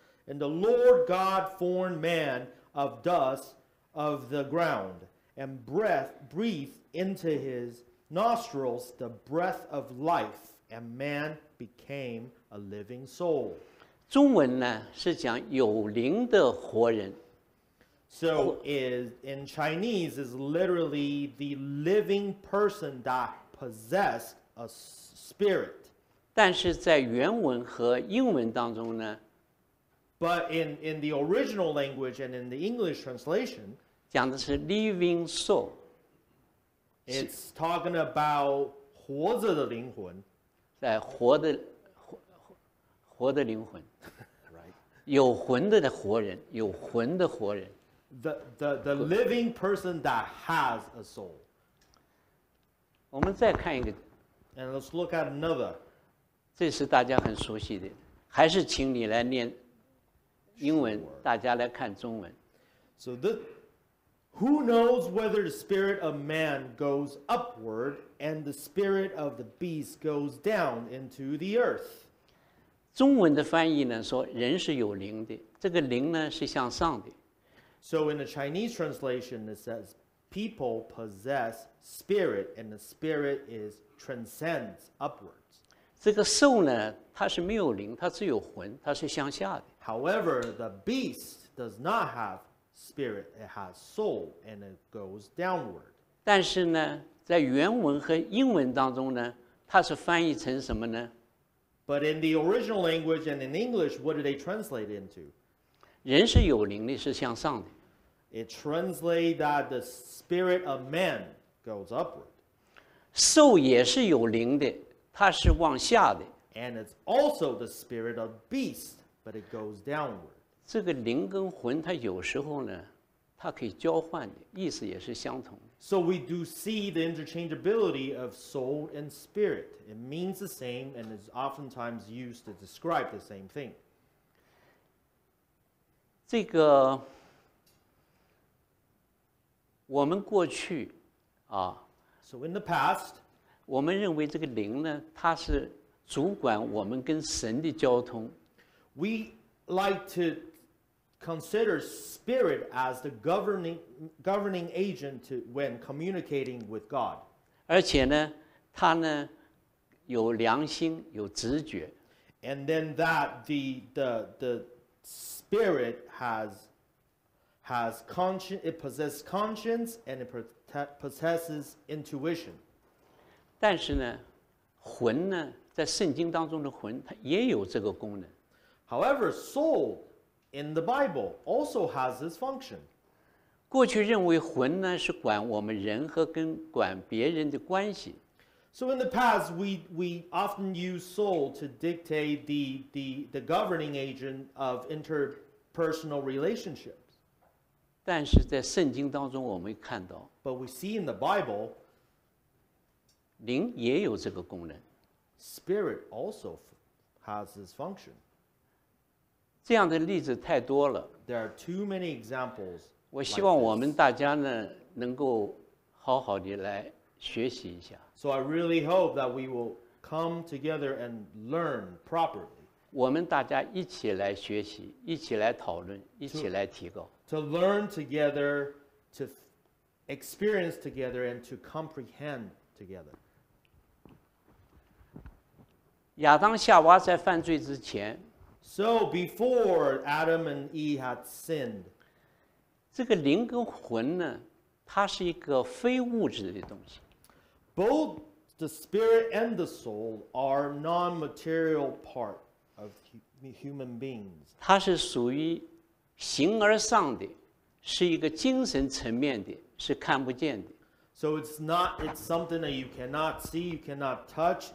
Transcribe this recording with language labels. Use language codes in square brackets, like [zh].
[en] And the Lord God formed man of dust of the ground and breathed into his nostrils the breath of life, and man became a living soul. [zh] 中文呢是讲有灵的活人。 [en] So is in Chinese is literally the living person that possessed a spirit. [zh] 但是在原文和英文当中呢 [en] ，But in the original language and in the English translation, [zh] 讲的是 [en] living soul. It's talking about [zh] 活着的灵魂，在活的活的灵魂 [en] ，right? [zh] 有魂的活人，有魂的活人。 [en] The living person that has a soul. [zh] 我们再看一个。 [en] And let's look at another. [zh] 这是大家很熟悉的，还是请你来念英文， [en] sure. [zh] 大家来看中文。 [en] So the who knows whether the spirit of man goes upward and the spirit of the beast goes down into the earth? [zh] 中文的翻译呢说人是有灵的，这个灵呢是向上的。 [en] So in the Chinese translation, it says people possess spirit and the spirit is transcends upwards. [zh] 这个兽呢它是没有灵，它只有魂，它是向下的。 [en] However, the beast does not have spirit, it has soul and it goes downward. [zh] 但是呢在原文和英文当中呢它是翻译成什么呢？ [en] But in the original language and in English, what do they translate into? [zh] 人是有灵的，是向上的。 [en] It translates that the spirit of man goes upward. [zh] 兽也是有灵的，它是往下的。 [en] And it's also the spirit of beast, but it goes downward. [zh] 这个灵跟魂，它有时候呢，它可以交换的，意思也是相同的。 [en] So we do see the interchangeability of soul and spirit. It means the same and is oftentimes used to describe the same thing. [zh] 这个我们过去啊 [en] ，So in the past， [zh] 我们认为这个灵呢，它是主管我们跟神的交通。 [en] We like to consider spirit as the governing agent to when communicating with God。 [zh] 而且呢，它呢有良心，有直觉。 [en] And then that the spirit has conscience, it possesses conscience and it possesses intuition. [zh] 但是呢，魂呢，在圣经当中的魂，它也有这个功能。 [en] However, soul in the Bible also has this function. [zh] 过去认为魂呢是管我们人和跟管别人的关系。 [en] So in the past, we often use soul to dictate the governing agent of interpersonal relationships. [zh] 但是在圣经当中我们看到 [en] But we see in the Bible, [zh] 灵也有这个功能 [en] Spirit also has this function. [zh] 这样的例子太多了 [en] There are too many examples. [zh] 我希望我们大家呢能够好好地来学习一下 [en] So I really hope that we will come together and learn properly. [zh] 我们大家一起来学习，一起来讨论，一起来提高。 [en] To learn together, to experience together, and to comprehend together. [zh] 亚当夏娃在犯罪之前 [en] So before Adam and Eve had sinned, [zh] 这个灵跟魂呢，它是一个非物质的东西。 [en] Both the spirit and the soul are non-material part of human beings. [zh] 它是属于形而上的，是一个精神层面的，是看不见的。 [en] So it's something that you cannot see, you cannot touch.